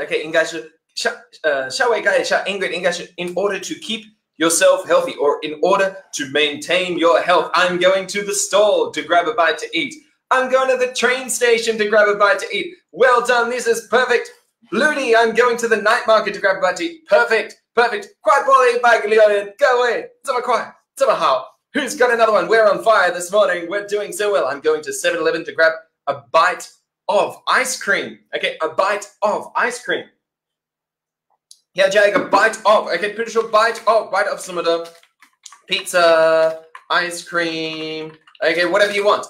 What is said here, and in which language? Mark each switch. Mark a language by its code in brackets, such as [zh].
[en] Okay, [zh] 应该是稍微改一下 [en] Ingrid, [zh] 应该是 [en] in order to keep yourself healthy or in order to maintain your health. I'm going to the stall to grab a bite to eat. I'm going to the train station to grab a bite to eat. Well done, this is perfect. Looney, I'm going to the night market to grab a bite to eat. Perfect. Perfect. [zh] 快过来一百个留言，各位，这么快，这么好。 [en] Who's got another one? We're on fire this morning. We're doing so well. I'm going to 7-Eleven to grab a bite of ice cream. Okay, a bite of ice cream. Yeah, Jack, a bite of. Okay, pretty sure bite of some of the pizza, ice cream. Okay, whatever you want.